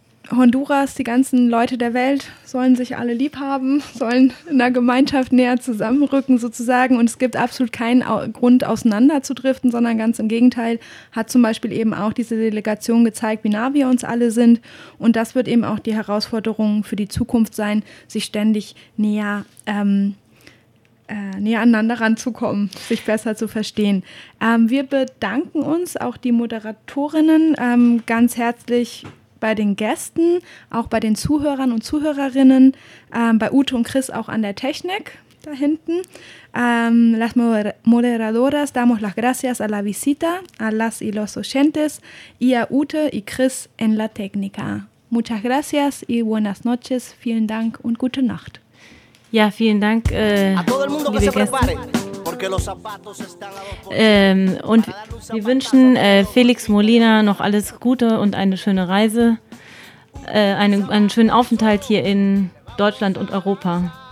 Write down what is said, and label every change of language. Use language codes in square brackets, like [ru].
[de] Honduras, die ganzen Leute der Welt sollen sich alle lieb haben, sollen in der Gemeinschaft näher zusammenrücken sozusagen und es gibt absolut keinen Grund auseinanderzudriften, sondern ganz im Gegenteil hat zum Beispiel eben auch diese Delegation gezeigt, wie nah wir uns alle sind und das wird eben auch die Herausforderung für die Zukunft sein, sich ständig näher aneinander ranzukommen, sich besser zu verstehen. Wir bedanken uns, auch die Moderatorinnen, ganz herzlich bei den Gästen, auch bei den Zuhörern und Zuhörerinnen, bei Ute und Chris auch an der Technik da hinten. [es] Las moderadoras damos las gracias a la visita, a las y los oyentes, y a Ute y Chris en la técnica. Muchas gracias y buenas noches. [de] Vielen Dank und gute Nacht. Ja, vielen Dank. Und wir wünschen Felix Molina noch alles Gute und eine schöne Reise, einen schönen Aufenthalt hier in Deutschland und Europa.